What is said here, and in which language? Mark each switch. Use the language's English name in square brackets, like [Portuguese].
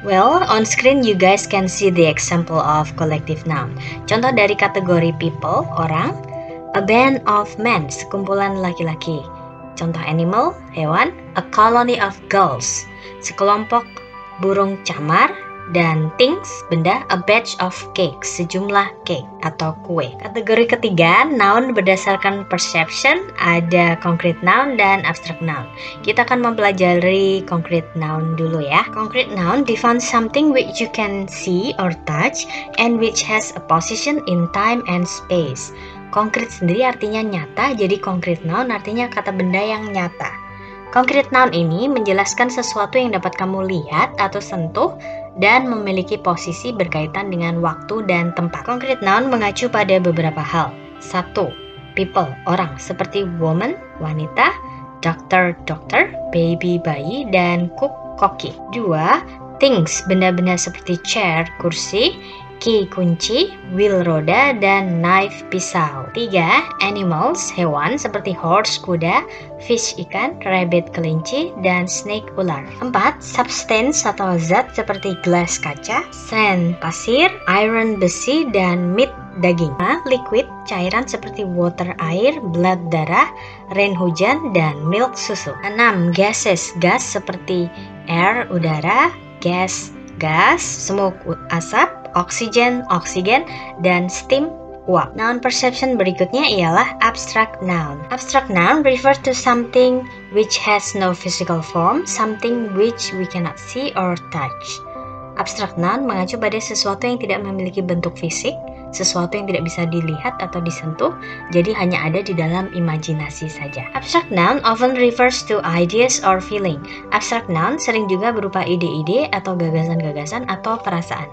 [English] Well, on screen you guys can see the example of collective noun. [Indonesian] Contoh dari kategori people, orang, [English] a band of men, [Indonesian] sekumpulan laki-laki. Contoh animal, hewan, [English] a colony of gulls, [Indonesian] sekelompok burung camar, dan things, benda, [English] a batch of cake, [Indonesian] sejumlah cake atau kue. Kategori ketiga, noun berdasarkan perception, ada concrete noun dan abstract noun. Kita akan mempelajari concrete noun dulu ya. [English] Concrete noun defines something which you can see or touch and which has a position in time and space. [Indonesian] Konkret sendiri artinya nyata, jadi concrete noun artinya kata benda yang nyata. Concrete noun ini menjelaskan sesuatu yang dapat kamu lihat atau sentuh dan memiliki posisi berkaitan dengan waktu dan tempat. Concrete noun mengacu pada beberapa hal. 1. People, orang, seperti woman, wanita, doctor, dokter, baby, bayi, dan cook, koki. 2. Things, benda-benda seperti chair, kursi, key, kunci, wheel, roda, dan knife, pisau. 3. Animals, hewan, seperti horse, kuda, fish, ikan, rabbit, kelinci, dan snake, ular. 4. Substance atau zat, seperti glass, kaca, sand, pasir, iron, besi, dan meat, daging, liquid, cairan seperti water, air, blood, darah, rain, hujan, dan milk, susu. 6. Gases, gas seperti air, udara, gas, gas, smoke, asap, oksigen, oksigen, dan steam, uap. Noun perception berikutnya ialah abstract noun. [English] Abstract noun refers to something which has no physical form, something which we cannot see or touch. [Indonesian] Abstract noun mengacu pada sesuatu yang tidak memiliki bentuk fisik, sesuatu yang tidak bisa dilihat atau disentuh, jadi hanya ada di dalam imajinasi saja. [English] Abstract noun often refers to ideas or feeling. [Indonesian] Abstract noun sering juga berupa ide-ide atau gagasan-gagasan atau perasaan.